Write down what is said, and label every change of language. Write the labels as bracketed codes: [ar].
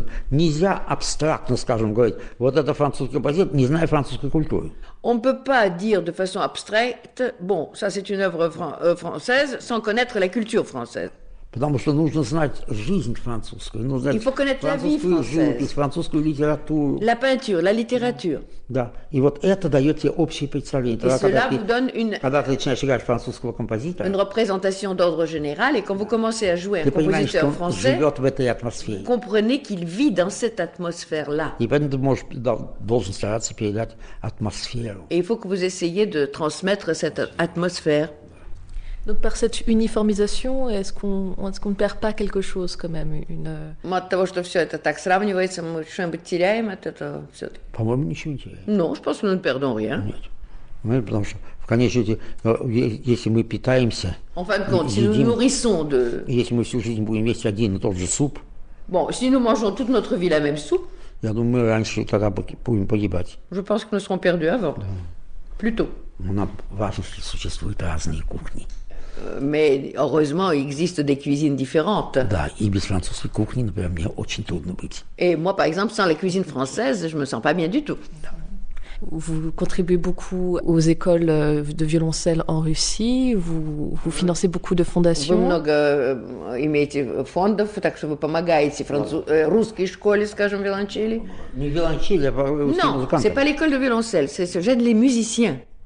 [ru] Нельзя абстрактно, скажем, говорить, вот это французский композитор, не знаю французской культуры. [fr] On ne peut pas dire de façon abstraite, bon, ça c'est une œuvre française, sans connaître la culture française. [ru] Потому что нужно знать жизнь французскую. Нужно знать французскую живопись, французскую литературу. [fr] La peinture, la littérature. [ru] Да. И вот это дает тебе общее представление. Тогда, когда, когда ты начинаешь играть французского композитора, [fr] une représentation d'ordre général, et quand vous commencez à jouer un [ru] ты понимаешь, что [fr] français, [ru] он живет в этой атмосфере. [fr] Comprenez qu'il vit dans cette atmosphère-là. [ru] И поэтому ты должен стараться передать атмосферу. [fr] Et il faut que vous essayiez de transmettre cette atmosphère. Donc par cette uniformisation, est-ce qu'on ne perd pas quelque chose quand même une... [ru] Mais от того, что все это так сравнивается, мы что-нибудь теряем от этого все-таки? По-моему, ничего не теряем. [fr] Non, je pense que nous ne perdons rien. [ru] Нет. Потому что в конечном счете, если мы питаемся, [fr] en fin de compte, si nous nourrissons de... [ru] Если мы всю жизнь будем есть один и тот же суп... [fr] Bon, si nous mangeons toute notre vie la même soupe... [ru] Я думаю, мы раньше тогда будем погибать. [fr] Je pense que nous serons perdus avant. [ru] Да. [fr] Plus tôt. [ru] Нам важно, что существуют разные кухни. [fr] Mais heureusement, il existe des cuisines différentes. [ru] Да, и без французской кухни, например, мне очень трудно быть. [fr] Et moi, par exemple, sans la cuisine française, je me sens pas bien du tout. Vous contribuez beaucoup aux écoles de violoncelle en Russie. Vous financez beaucoup de fondations. [ru] Вы много имеете фондов, так что вы помогаете русской школе, скажем, виолончели. Не виолончели, а русские [fr] non, [ru] музыканты. [fr] Non, c'est pas l'école de violoncelle. C'est j'aide les musiciens.